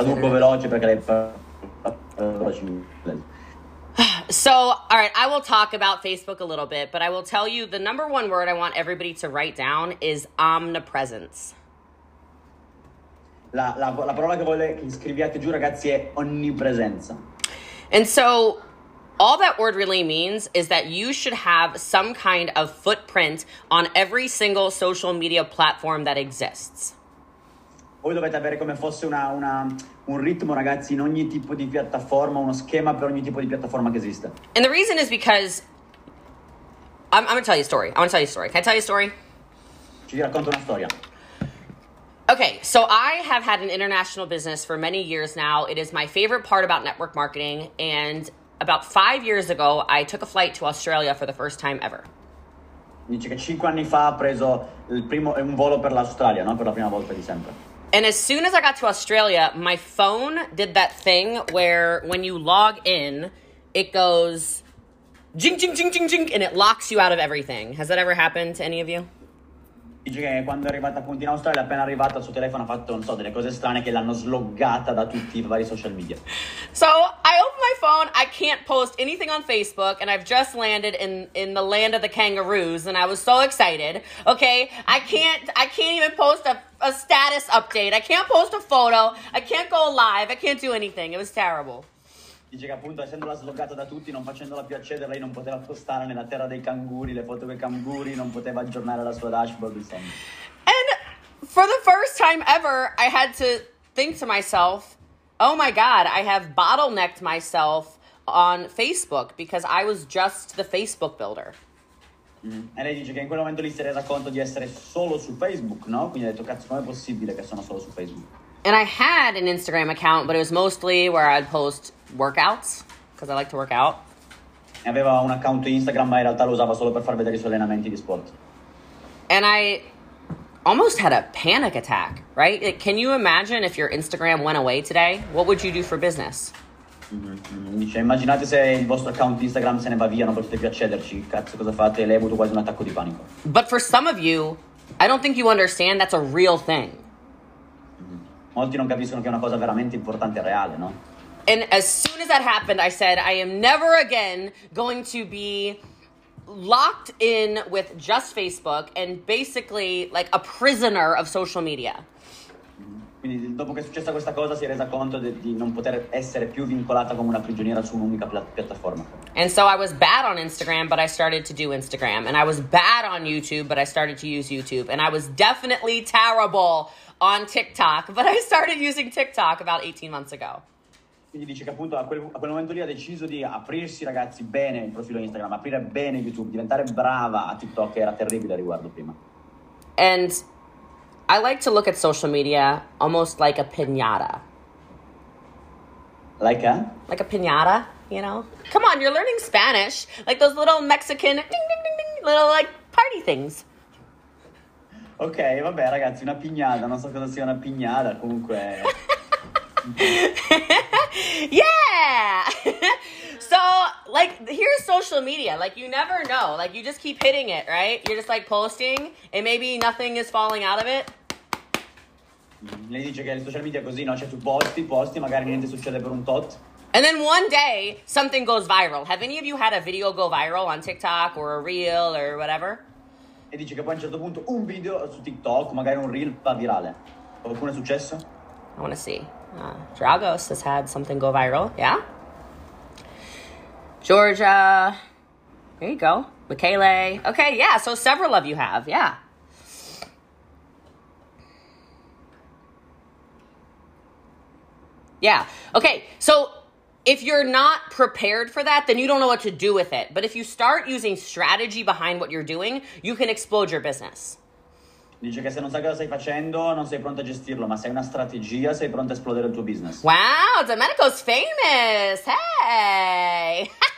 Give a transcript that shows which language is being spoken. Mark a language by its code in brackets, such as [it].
[it] Traduco veloce perché lei parla veloce inglese. [en] So, all right, I will talk about Facebook a little bit, but I will tell you the number one word I want everybody to write down is omnipresence. [it] La parola che vuole che scriviate giù, ragazzi, è onnipresenza. [en] And so all that word really means is that you should have some kind of footprint on every single social media platform that exists. [it] Voi dovete avere come fosse un ritmo, ragazzi, in ogni tipo di piattaforma, uno schema per ogni tipo di piattaforma che esiste. [en] And the reason is because I'm going to tell you a story. I want to tell you a story. Can I tell you a story? [it] Ci racconto una storia. [en] Okay, so I have had an international business for many years now. It is my favorite part about network marketing. And about 5 years ago, I took a flight to Australia for the first time ever. [it] Dice che 5 anni fa ha preso un volo per l'Australia, no? Per la prima volta di sempre. [en] And as soon as I got to Australia, my phone did that thing where when you log in, it goes jing, jing, jing, jing, jing, and it locks you out of everything. Has that ever happened to any of you? [it] Dice che quando è arrivata appunto in Australia, appena arrivata al suo telefono, ha fatto, non so, delle cose strane che l'hanno sloggata da tutti i vari social media. [en] So I open my phone, I can't post anything on Facebook, and I've just landed in the land of the kangaroos, and I was so excited, okay? I can't even post a status update, I can't post a photo, I can't go live, I can't do anything, it was terrible. [it] Dice che appunto essendola sloggata da tutti, non facendola più accedere, lei non poteva postare nella terra dei canguri, le foto dei canguri, non poteva aggiornare la sua dashboard, insomma. [en] And for the first time ever, I had to think to myself, oh my God, I have bottlenecked myself on Facebook because I was just the Facebook builder. [it] Mm-hmm. E lei dice che in quel momento lì si è resa conto di essere solo su Facebook, no? Quindi ha detto, cazzo, com'è possibile che sono solo su Facebook? [en] And I had an Instagram account, but it was mostly where I'd post workouts, because I like to work out. [it] Aveva un account Instagram, ma in realtà lo usava solo per far vedere i suoi allenamenti di sport. [en] And I almost had a panic attack, right? Like, can you imagine if your Instagram went away today? What would you do for business? Mm-hmm. [it] Dice, immaginate se il vostro account Instagram se ne va via, non potete più accederci. Cazzo, cosa fate? Lei ha avuto quasi un attacco di panico. [en] But for some of you, I don't think you understand that's a real thing. [it] molti non capiscono che è una cosa veramente importante e reale, no? [en] And as soon as that happened, I said, I am never again going to be locked in with just Facebook and basically like a prisoner of social media. [it] Quindi dopo che è successa questa cosa si è resa conto di non poter essere più vincolata come una prigioniera su un'unica piattaforma. [en] And so I was bad on Instagram, but I started to do Instagram. And I was bad on YouTube, but I started to use YouTube. And I was definitely terrible on TikTok, but I started using TikTok about 18 months ago. [it] Quindi dice che appunto a quel momento lì ha deciso di aprirsi, ragazzi, bene il profilo Instagram, aprire bene YouTube, diventare brava a TikTok, che era terribile riguardo prima. [en] And I like to look at social media almost like a piñata. Like a? Like a piñata, you know? Come on, you're learning Spanish. Like those little Mexican ding, ding, ding, ding, little like party things. [it] Ok, vabbè ragazzi, una piñata. Non so cosa sia una piñata, comunque. [en] Yeah! So, like, here's social media. Like, you never know. Like, you just keep hitting it, right? You're just like posting and maybe nothing is falling out of it. [it] Lei dice che il social media è così, no? Cioè tu posti, magari niente succede per un tot. [en] And then one day, something goes viral. Have any of you had a video go viral on TikTok or a reel or whatever? [it] E dice che poi a un certo punto un video su TikTok, magari un reel, va virale. Qualcuno è successo? [en] I wanna see. Dragos has had something go viral, yeah? Georgia, there you go. Michele, okay, yeah, so several of you have, yeah. Yeah, okay, so if you're not prepared for that, then you don't know what to do with it. But if you start using strategy behind what you're doing, you can explode your business. [it] Dice che se non sai cosa stai facendo, non sei pronto a gestirlo, ma se hai una strategia, sei pronto a esplodere il tuo business. [en] Wow, Domenico's famous, hey!